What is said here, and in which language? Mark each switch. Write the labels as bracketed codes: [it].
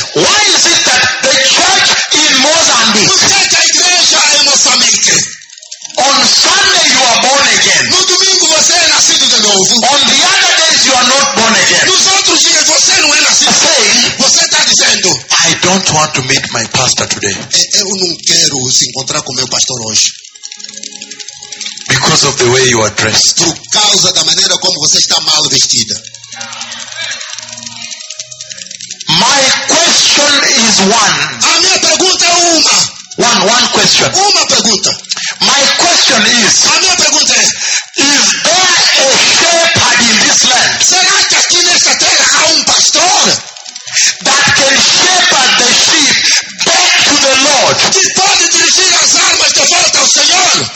[en] Why is it that the church in Mozambique? [pt] Por que a igreja em Moçambique? [en] On Sunday you are born again. [pt] No domingo você é nascido de novo. [en] On the other days you are not born again. [pt] Nos outros dias você não é nascido. [en] Saying, [pt] você está dizendo, [en] I don't want to meet my pastor today. [pt] Eu não quero se encontrar com meu pastor hoje. [en] Because of the way you are dressed. [pt] Por causa da maneira como você está mal vestida. [en] My question is one. [pt] A minha pergunta é uma. [en] One question. [pt] Uma pergunta. [en] My question is. [pt] A minha pergunta é. [en] Is there a shepherd in this land? [pt] Será que aqui nesta terra há pastor [en] that can shepherd the sheep back to the Lord? [pt] Que pode dirigir as armas de volta ao Senhor?